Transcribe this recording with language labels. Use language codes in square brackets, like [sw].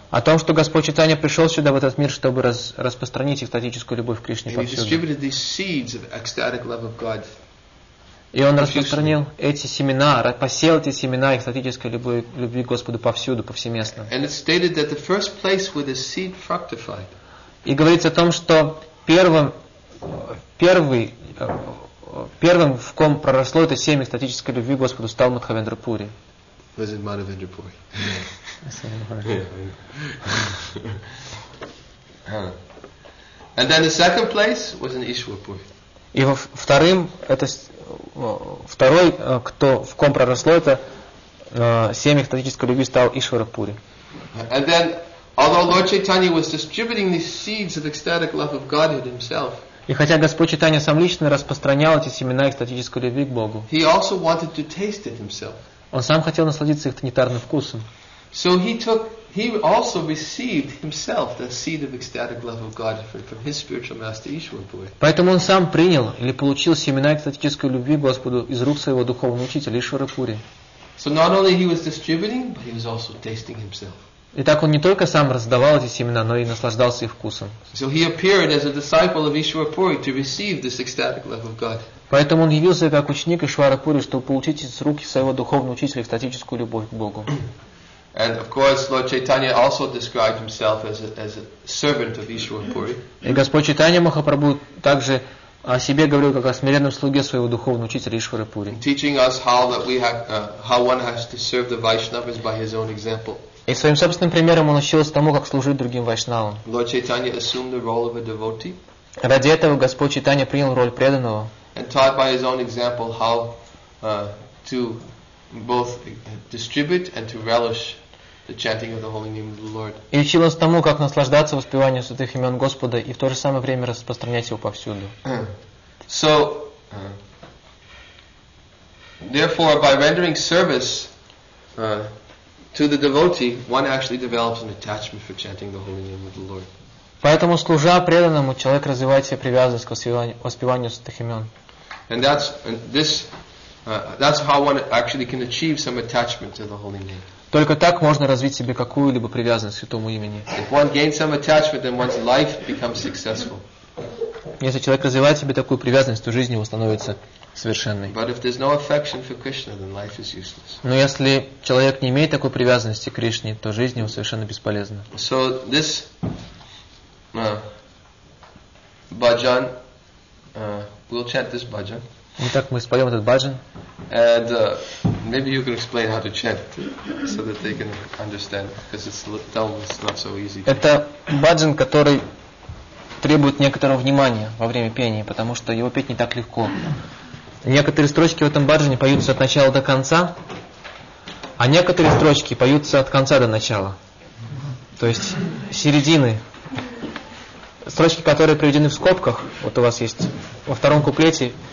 [ru] О том, что Господь Чайтанья пришел сюда в этот мир, чтобы распространить экстатическую любовь к Кришне повсюду. [en] And he distributed these seeds of ecstatic love of God. [ru] И он распространил эти семена, посеял эти семена экстатической любви к Господу повсюду, повсеместно. [en] And it's stated that the first place where the seed fructified. [ru] И говорится о том, что первым, в ком проросло это семя экстатической любви к Господу, стал Мадхавендра Пури. [en] Was it Madhavendra Puri? And then the second place was in Ishwar Puri. [ru] И во вторым это второй, кто в ком проросло это семя экстатической любви, стал Ишвар Пури. [en] And then, although Lord Chaitanya was distributing the seeds of ecstatic love of Godhead himself. [ru] И хотя Господь Чайтанья сам лично распространял эти семена экстатической любви к Богу. [en] He also wanted to taste it himself. [ru] Он сам хотел насладиться их нектарным вкусом. [en] So he also received himself the seed of ecstatic love of God from his spiritual master Ishwar Puri. [ru] Поэтому он сам принял или получил семена экстатической любви Господу из рук своего духовного учителя Ишвара Пури. [en] So not only he was distributing, but he was also tasting himself. [ru] Итак, он не только сам раздавал эти семена, но и наслаждался их вкусом. [en] So he appeared as a disciple of Ishwar Puri to receive this ecstatic love of God. [ru] Поэтому он явился как ученик Ишвара Пури, чтобы получить из рук своего духовного учителя экстатическую любовь к Богу. [en] And of course, Lord Chaitanya also described himself as a servant of Ishwar Puri. [ru] И Господь Чайтанья Махапрабху также о себе говорил как о смиренном слуге своего духовного учителя Ишвара Пури. [en] Teaching us how that we have, how one has to serve the Vaishnavas by his own example. [ru] И своим собственным примером он учил тому, как служить другим вайшнавам. [en] Lord Chaitanya assumed the role of a devotee. [ru] Ради этого Господь Чайтанья принял роль преданного. [en] And taught by his own example how to both distribute and to relish the chanting of the holy name of the Lord. [ru] И учил нас тому, как наслаждаться воспеванием святых имен Господа и в то же самое время распространять его повсюду. [en] So, therefore, by rendering service to the devotee, one actually develops an attachment for chanting the holy name of the Lord. [ru] Поэтому служа преданному, человек развивает себе привязанность к воспеванию святых имен. [en] And that's and this. That's how one actually can achieve some attachment to the holy name. [ru] Только так можно развить себе какую-либо привязанность к святому имени. [en] If one gains some attachment, then one's life becomes successful. [ru] Если человек развивает себе такую привязанность, то жизнь его становится совершенной. [en] But if there's no affection for Krishna, then life is useless. [ru] Но если человек не имеет такой привязанности к Кришне, то жизнь его совершенно бесполезна. [en] So this bhajan, we'll chant this bhajan. [ru] Итак, мы споем этот баджан. [en] And maybe you can explain how to chant so that they can understand, because it's almost not so easy. [ru] Это баджан, который требует некоторого внимания во время пения, потому что его петь не так легко. Некоторые строчки в этом баджане поются от начала до конца, а некоторые строчки поются от конца до начала. То есть середины. Строчки, которые приведены в скобках, вот у вас есть во втором куплете.